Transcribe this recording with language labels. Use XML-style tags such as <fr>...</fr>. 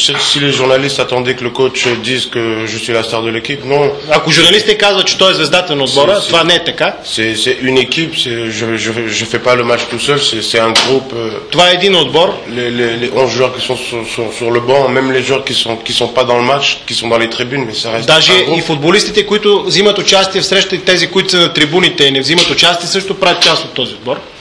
<fr>Si les journalistes attendaient que le coach dise que je suis la star de l'équipe, non.</fr> <bg>Ако журналистите казват, че той е звездата на отбора, това не е така.</bg> <fr>C'est une équipe, je fais pas le match tout seul, c'est un groupe.</fr> <bg>Това е един отбор.</bg> <fr>Les 11 joueurs qui sont sur le banc, même les joueurs qui sont pas dans le match, qui sont dans les tribunes, mais ça reste.</fr> <bg>Даже и футболистите, които взимат участие в срещите, тези, които са на трибуните и не взимат участие, също правят част от този отбор.</bg>